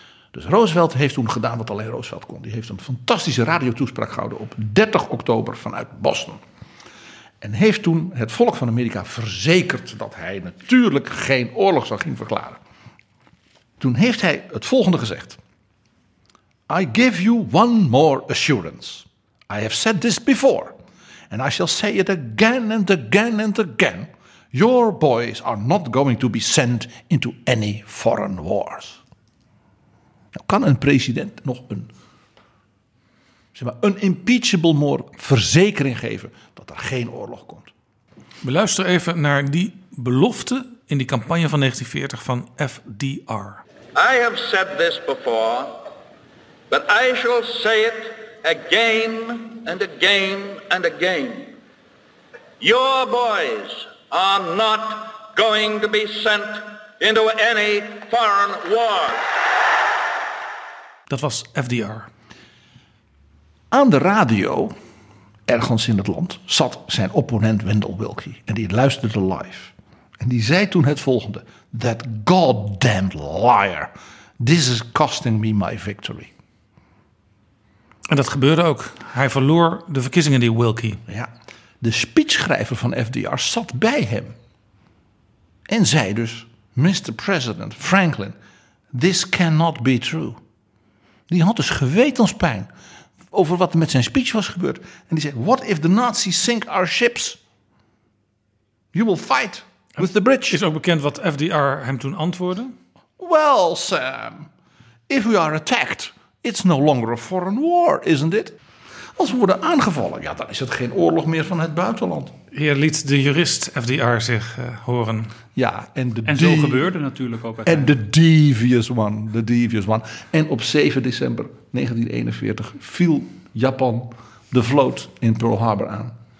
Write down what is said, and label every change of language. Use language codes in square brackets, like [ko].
[nl] Dus Roosevelt heeft toen gedaan wat alleen Roosevelt kon. Die heeft een fantastische radiotoespraak gehouden op 30 oktober vanuit Boston. En heeft toen het volk van Amerika verzekerd dat hij natuurlijk geen oorlog zou gaan verklaren. Toen heeft hij het volgende gezegd. [en] I give you one more assurance. I have said this before. And I shall say it again and again and again. Your boys are not going to be sent into any foreign wars. [nl] Nou, kan een president nog een, zeg maar, een impeachable more verzekering geven dat er geen oorlog komt? We luisteren even naar die belofte in die campagne van 1940 van FDR. [en] I have said this before. But I shall say it again and again and again. Your boys are not going to be sent into any foreign war. [nl] Dat was FDR. Aan de radio, ergens in het land, zat zijn opponent Wendell Willkie. En die luisterde live. En die zei toen het volgende. [en] That goddamn liar. This is costing me my victory. [nl] En dat gebeurde ook. Hij verloor de verkiezingen, die Willkie. Ja, de speechschrijver van FDR zat bij hem. En zei dus, Mr. [en] President Franklin, this cannot be true. [nl] Die had dus gewetenspijn over wat er met zijn speech was gebeurd. En die zei, [en] what if the Nazis sink our ships? You will fight with the British. [nl] Is ook bekend wat FDR hem toen antwoordde? [en] Well, Sam, if we are attacked, it's no longer a foreign war, isn't it? [nl] Als we worden aangevallen, ja, dan is het geen oorlog meer van het buitenland. Hier liet de jurist FDR zich horen. Ja, zo gebeurde natuurlijk ook. En de [en] devious one, the devious one. [nl] En op 7 december 1941 viel Japan de vloot in Pearl Harbor aan.